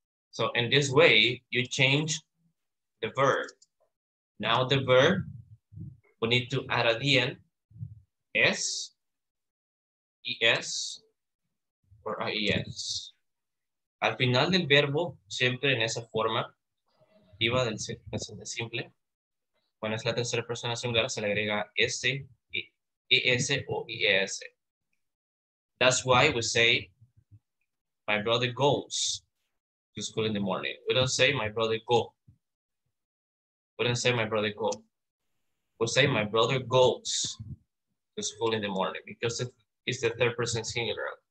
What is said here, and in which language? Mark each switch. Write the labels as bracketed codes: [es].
[en] So in this way, you change the verb. Now the verb, we need to add at the end, S, ES, or IES. [es] Al final del verbo, siempre en esa forma, activa del simple, cuando es la tercera persona singular, se le agrega S, ES o IES. [en] That's why we say, my brother goes to school in the morning. We don't say, my brother go. We don't say, my brother go. We say, my brother goes to school in the morning because it's the third person singular.